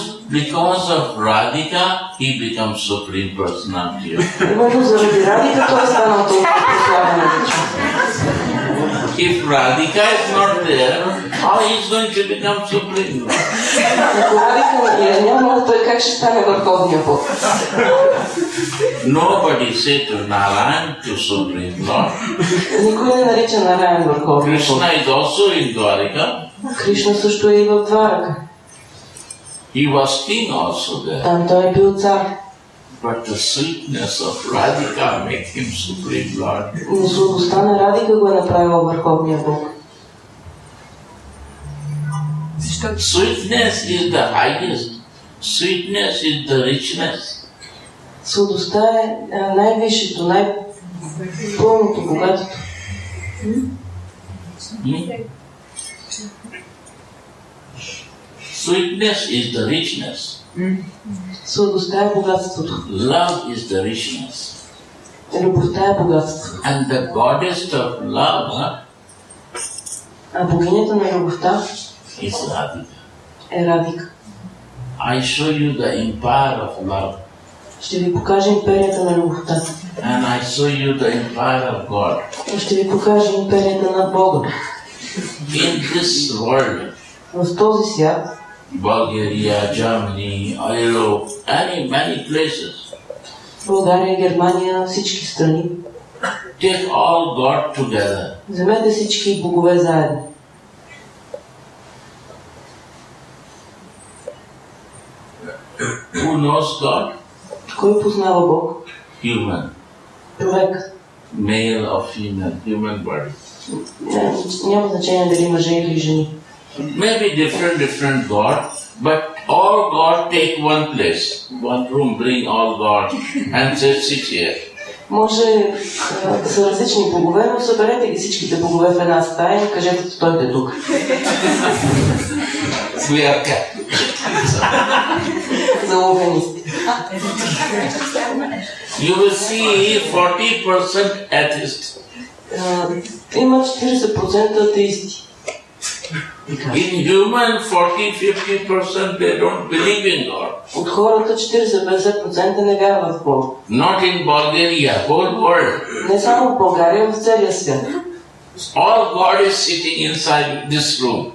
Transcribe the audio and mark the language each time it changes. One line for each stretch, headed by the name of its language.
English: Because of Radhika, he becomes Supreme Personality.
Bulgarian: Именно заради Radhika той стана толкова славна личност.
English: If Radhika is not there, how is going to become supreme?
Bulgarian: Ако Радика я няма, той как ще стане върховния Бог?
English: Nobody said to Narayan to supreme Lord.
Bulgarian: Никой не нарича Нараян върховния Бог.
English: Krishna is also in Dwarka.
Bulgarian: Кришна също е и в Дварака.
English: He was king also there.
Bulgarian: Там той е бил цар.
English: But the sweetness of Radhika made him supreme Lord.
Bulgarian: Но сладостта на Радика го е направила върховния Бог.
English: Sweetness is the highest. Sweetness is the richness.
Bulgarian: Сладостта е най-висшето, най-пълното, богатото.
English: Sweetness is the richness.
Bulgarian: Сладостта е богатството.
English: Love is the richness.
Bulgarian: Любовта е богатството.
English: And the goddess of love,
Bulgarian: а богинята на любовта
English: is Radhika.
Bulgarian: Е Радика.
English: I show you the empire of love.
Bulgarian: Ще ви покажа империята на любовта.
English: And I show you the empire of God.
Bulgarian: Ще ви покажа империята на Бога.
English: In this world.
Bulgarian: В този свят.
English: Bulgaria, Germany, Europe, many places.
Bulgarian: България, Германия, всички страни.
English: Take all God together.
Bulgarian: Вземете всички богове заедно.
English: Who knows God?
Bulgarian: Кой познава Бог?
English: Human.
Bulgarian: Човек.
English: Male or female, human body.
Bulgarian: Няма значение дали мъже или жени.
English: Maybe different God, but all God take one place, one room, bring all God and just sit here.
Bulgarian: Може да са различни богове, но съберете ги всичките богове в една стая и кажете, че той е тук.
English: We are cat.
Bulgarian: Заловени сте.
English: You will see 40% atheist.
Bulgarian: Има 40% атеисти.
English: In human 40-50% they don't believe in God.
Bulgarian: От хората 40-50% не вярват в Бог.
English: Not in Bulgaria, whole world.
Bulgarian: Не само в България, в целия свят.
English: All God is sitting inside this room.